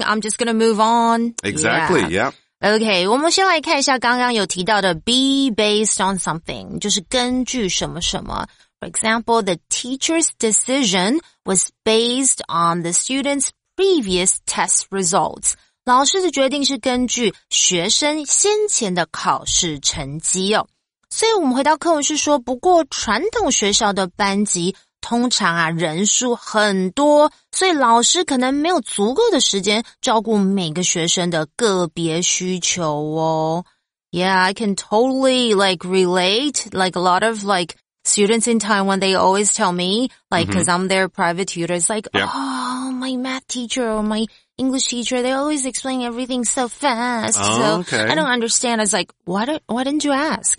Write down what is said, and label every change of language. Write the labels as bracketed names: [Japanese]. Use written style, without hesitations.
[English] Yeah. I'm just going to move on. Exactly. Yeah. [Chinese] Okay. 我们先来看一下刚刚有提到的 [English] be based on something, [Chinese] 就是根据什么什么。 [English] For example, the teacher's decision was based on the student's previous test results. [Chinese] 老师的决定是根据学生先前的考试成绩哦。所以我们回到课文是说，不过传统学校的班级通常啊人数很多，所以老师可能没有足够的时间照顾每个学生的个别需求哦。 [English] Yeah, I can totally like relate. Like a lot of like students in Taiwan, they always tell me like because I'm their private tutor. It's like, oh, my math teacher or my English teacher, they always explain everything so fast. Okay. I don't understand. I was like, why didn't you ask?